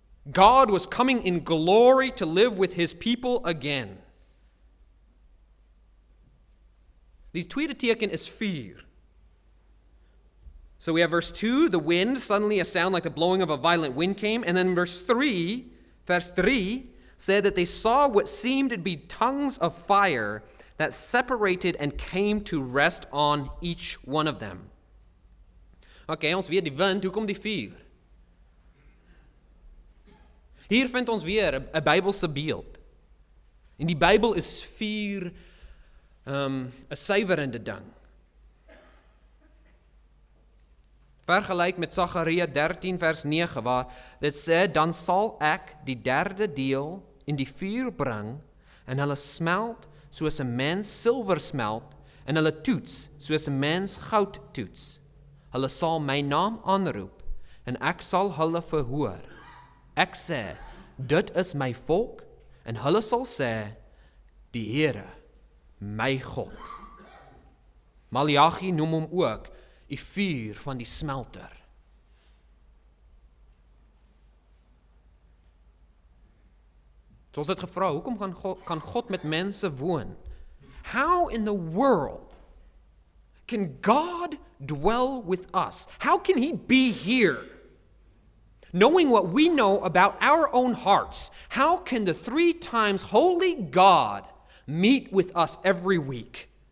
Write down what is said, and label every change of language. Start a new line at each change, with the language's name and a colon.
English: God was coming in glory to live with his people again.
Afrikaans: Die tweede teken is vuur.
English: So we have verse 2, the wind, suddenly a sound like the blowing of a violent wind came. And then verse 3, said that they saw what seemed to be tongues of fire that separated and came to rest on each one of them.
Afrikaans: Okay, ons weer die wind, hoe kom die vuur? Hier vind ons weer 'n Bybelse beeld. En die Bybel is vuur, 'n suiwerende ding. Vergelyk met Sagaria 13 vers 9 waar dit sê, dan sal ek die derde deel in die vuur bring en hulle smelt soos 'n mens silwer smelt en hulle toets soos 'n mens goud toets. Hulle sal my naam aanroep en ek sal hulle verhoor. Ek sê, dit is my volk en hulle sal sê, die Here, my God. Malachi noem hom ook die vuur van die smelter. So ons het gevra, hoekom kan God met mense woon?
English: How in the world can God dwell with us? How can he be here? Knowing what we know about our own hearts, how can the three times holy God meet with us every week?